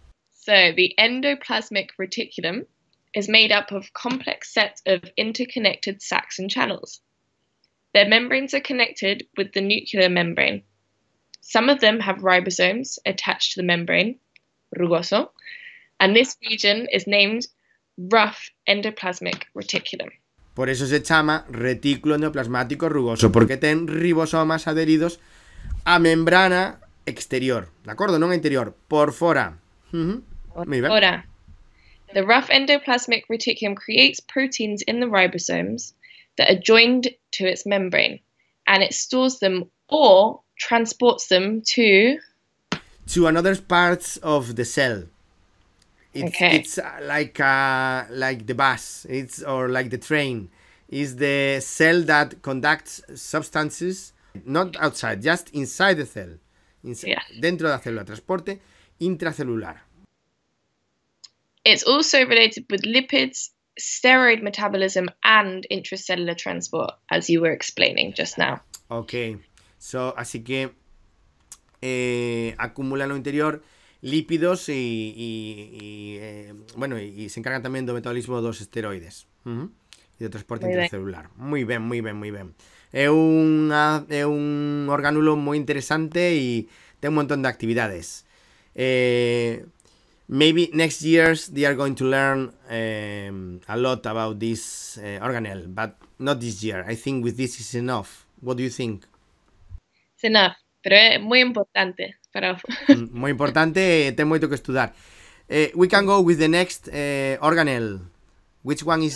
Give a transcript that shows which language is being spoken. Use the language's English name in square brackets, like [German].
[English] So the endoplasmic reticulum is made up of complex sets of interconnected sacs and channels. Their membranes are connected with the nuclear membrane. Some of them have ribosomes attached to the membrane, rugoso. And this region is named rough endoplasmic reticulum. [Spanish] Por eso se llama retículo endoplasmático rugoso, porque tiene ribosomas adheridos a membrana exterior. ¿De acuerdo? No interior, por fuera. Por fuera. [English] The rough endoplasmic reticulum creates proteins in the ribosomes that are joined to its membrane, and it stores them or transports them to... To another parts of the cell. It's, okay. It's like the bus, it's or like the train. It's the cell that conducts substances Not outside, just inside the cell. [Spanish] Dentro de la célula, transporte intracelular. [English] It's also related with lipids, steroid metabolism, and intracellular transport, as you were explaining just now. Okay, so, [Spanish] así que, acumula en lo interior lípidos y se encarga también del metabolismo de los esteroides. Mm-hmm. Y de transporte intracelular. Muy bien, muy bien, muy bien. Es un orgánulo muy interesante y tiene un montón de actividades. [English] Maybe next years they are going to learn a lot about this organelle, but not this year. I think with this is enough. What do you think? It's enough, [Spanish] pero es muy importante. Pero... muy importante, tengo mucho que estudiar. [English] We can go with the next organelle. Which one is...